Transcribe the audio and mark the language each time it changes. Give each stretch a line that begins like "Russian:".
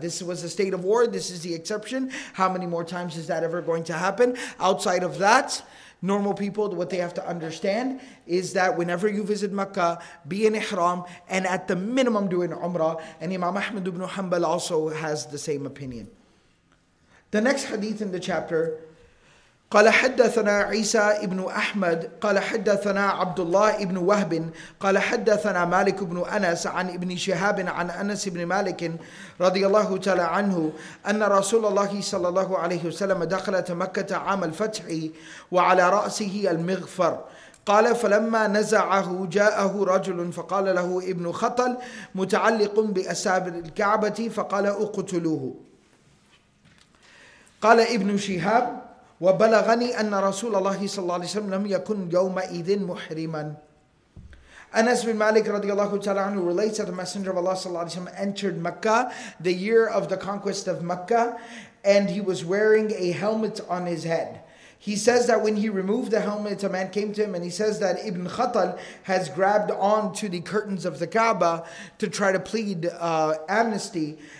English: This was a state of war. This is the exception. How many more times is that ever going to happen? Outside of that, normal people, what they have to understand is that whenever you visit Mecca, be in ihram, and at the minimum do an umrah. And Imam Ahmad ibn Hanbal also has the same opinion. The next hadith in the chapter,
Arabic: قال حدثنا عيسى ابن أحمد قال حدثنا عبد الله ابن وهب قال حدثنا مالك ابن أنس عن ابن شهاب عن أنس ابن مالك رضي الله تعالى عنه أن رسول الله صلى الله عليه وسلم دخل مكة عام الفتح وعلى رأسه المغفر قال فلما نزعه جاءه رجل فقال له ابن خطل متعلق بأسابر الكعبة فقال اقتلوه قال ابن شهاب وبلغني أن رسول الله صلى الله عليه وسلم لم يكن يومئذ محرما.
English: Anas bin Malik radiallahu ta'ala anhu relates that the Messenger of Allah sallallahu alayhi wa sallam entered Mecca, the year of the conquest of Mecca, and he was wearing a helmet on his head. He says that when he removed the helmet, a man came to him and he says that Ibn Khattal has grabbed on to the curtains of the Kaaba to try to plead amnesty.